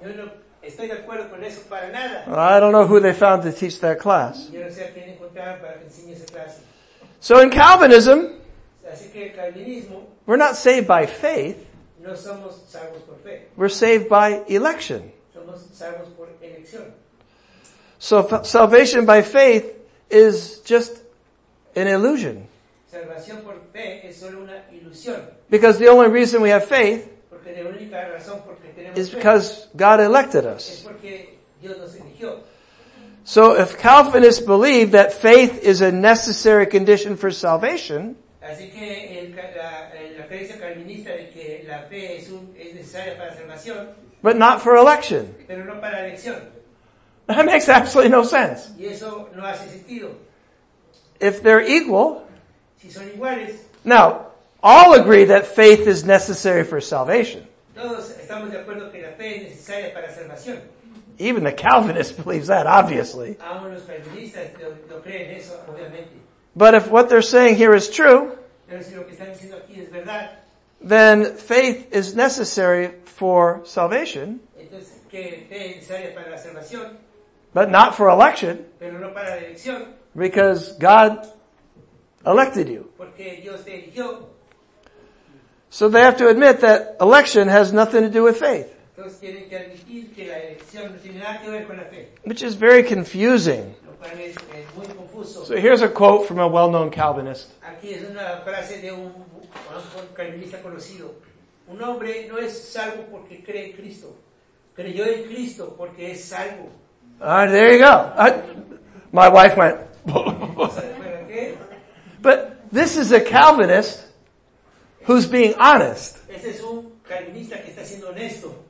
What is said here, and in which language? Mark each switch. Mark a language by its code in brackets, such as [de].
[es] Yo no estoy de acuerdo con eso para nada. [en] Well, I don't know who they found to teach that class. [es] Yo no sé a quién encontraron para que enseñe esa clase. [en] So in Calvinism, [es] así que el calvinismo, [en] we're not saved by faith. [es] No somos salvos por fe. [en] We're saved by election. [es] Somos salvos por elección. [en] So salvation by faith is just an illusion. [es] Salvación por fe es solo una ilusión. [en] Because the only reason we have faith, [es] porque la única razón porque tenemos [en] is because [es] fe, [en] God elected us. [es] Es porque Dios nos eligió. [en] So if Calvinists believe that faith is a necessary condition for salvation, [es] así que la creencia calvinista de que la fe es necesaria para salvación. [en] But not for election. [es] Pero no para elección. [en] That makes absolutely no sense. [es] Y eso no hace sentido. [en] If they're equal. [es] Si son iguales. [en] Now, all agree that faith is necessary for salvation. [es] Todos estamos de acuerdo que la fe es necesaria para salvación. [en] Even the Calvinist believes that, obviously. [es] Aún los calvinistas lo creen eso, obviamente. [en] But if what they're saying here is true, [es] pero si lo que están diciendo aquí es verdad, [en] then faith is necessary for salvation. [es] que fe necesaria para la salvación. [en] But not for election. [es] Pero no para la elección. [en] Because God elected you. [es] Porque Dios te eligió. [en] So they have to admit that election has nothing to do with faith. [es] Entonces tienen que admitir que la elección no tiene nada que ver con la fe. [en] Which is very confusing. [es] Lo cual es muy confuso. [en] So here's a quote from a well-known Calvinist. [es] Aquí es una frase de un calvinista conocido. Un hombre no es salvo porque cree en Cristo. Creyó en Cristo porque es salvo. [en] All right, there you go. My wife went, but this is a Calvinist who's being honest. [es] Este es un calvinista que está siendo honesto.